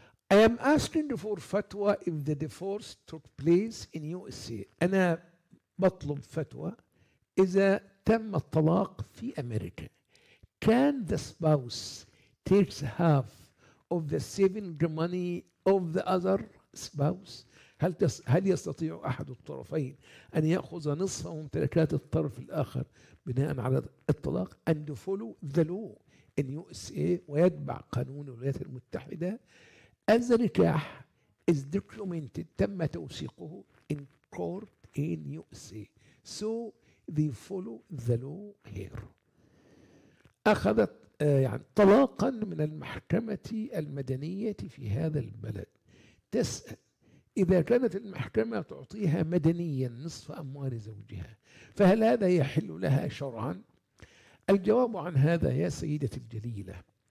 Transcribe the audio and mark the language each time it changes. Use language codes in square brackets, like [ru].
[en] I am asking for fatwa if the divorce took place in USA. [ar] أنا بطلب فتوى إذا تم الطلاق في أمريكا. [en] Can the spouse takes half of the saving money of the other spouse? [ar] هل يستطيع أحد الطرفين أن يأخذ نصف ممتلكات الطرف الآخر بناء على الطلاق؟ [en] And follow the law in USA [ar] ويتبع قانون الولايات المتحدة. [en] As the نكاح is documented, [ar] تم توثيقه [en] in court in USA. So they follow the law here. [ar] أخذت يعني طلاقا من المحكمة المدنية في هذا البلد. تسأل إذا كانت المحكمة تعطيها مدنيا نصف أموال زوجها فهل هذا يحل لها شرعا؟ الجواب عن هذا يا سيدة الجليلة